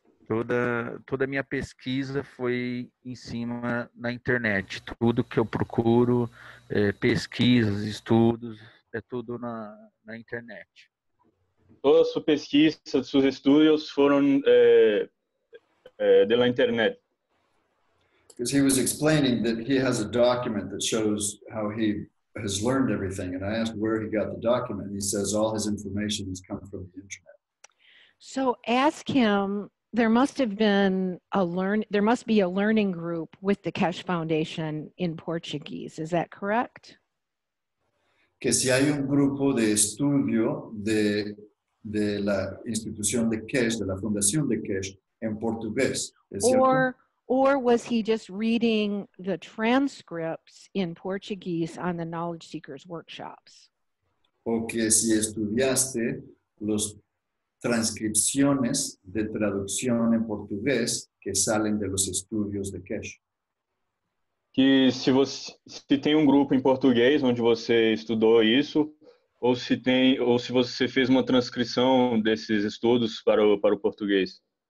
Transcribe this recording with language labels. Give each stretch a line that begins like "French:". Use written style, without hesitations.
Portuguese: Toda a minha pesquisa foi em cima na internet. Tudo que eu procuro, pesquisas, estudos, é tudo na internet. Toda a sua pesquisa, seus estudos foram pela internet.
English: Because he was explaining that he has a document that shows how he has learned everything, and I asked where he got the document. He says all his information has come from the internet. So ask him. There must have been there must be a learning group with the Keshe Foundation in Portuguese. Is that correct?
Spanish: Que se hay un grupo de estudio de la institución de Keshe, de la fundación de Keshe, en portugués.
English: Or was he just reading the transcripts in Portuguese on the Knowledge Seekers workshops?
Spanish: O que si estudiaste los transcripciones de traducción en portugués que salen de los estudios de Keshe.
Portuguese: Que se tem um grupo em português onde você estudou isso, ou se você fez uma transcrição desses estudos para o português?